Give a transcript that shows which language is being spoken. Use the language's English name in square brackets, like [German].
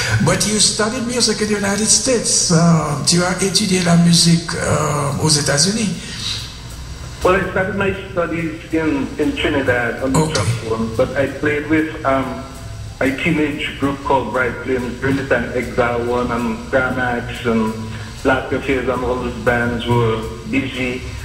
[English] But you studied music in the United States. [French] Tu as étudié la musique aux États-Unis. [English] Well, I started my studies in Trinidad on the trombone, but I played with a teenage group called Bright Flames, Trinidad Exile One, and Gramax, and Lack of Hayes, and all those bands were busy.